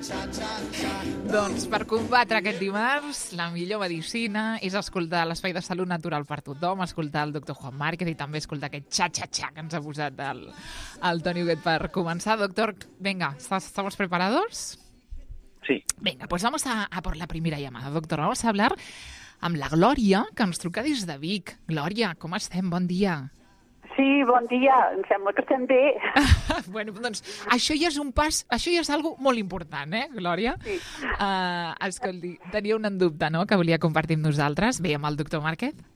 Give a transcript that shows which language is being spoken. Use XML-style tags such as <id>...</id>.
<ca>Doncs per combatre aquest dimarts, la millor medicina és escoltar l'Espai de Salut Natural per tothom, escoltar el doctor Juan Márquez i també escoltar aquest xa-xa-xa que ens ha posat el Toni Huguet per començar. Doctor, vinga, estem preparats? Sí. Vinga, doncs</ca> <es>vamos a por la primera llamada.</es> <ca>Doctor,</ca> <es>vamos a hablar</es> <ca>amb la Glòria, que ens truca des de Vic. Glòria, com estem? Bon dia. Sí, bon dia. Em sembla que estem bé. Bueno, doncs això ja és un pas, això ja és algo molt important, eh, Glòria? Sí. Escolti, tenia un dubte, no?, que volia compartir amb nosaltres. Bé, amb el doctor Márquez?</ca>